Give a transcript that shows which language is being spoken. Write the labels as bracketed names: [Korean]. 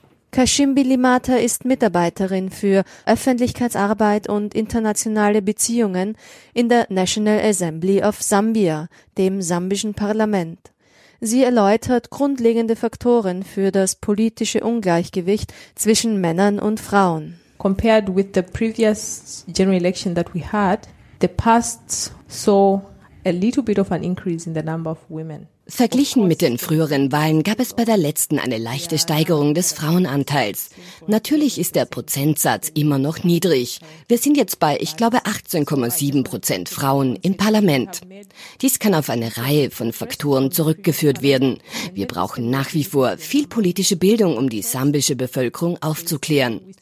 [German] Kashimbi Limata ist Mitarbeiterin für Öffentlichkeitsarbeit und internationale Beziehungen in der National Assembly of Zambia, dem sambischen Parlament. Sie erläutert grundlegende Faktoren für das politische Ungleichgewicht zwischen Männern und Frauen. [English] Compared with the previous general election that we had, the past saw a little bit of an increase in the number of women. [German] Verglichen mit den früheren Wahlen gab es bei der letzten eine leichte Steigerung des Frauenanteils. Natürlich ist der Prozentsatz immer noch niedrig. Wir sind jetzt bei, ich glaube, 18,7% Frauen im Parlament. Dies kann auf eine Reihe von Faktoren zurückgeführt werden. Wir brauchen nach wie vor viel politische Bildung, um die sambische Bevölkerung aufzuklären.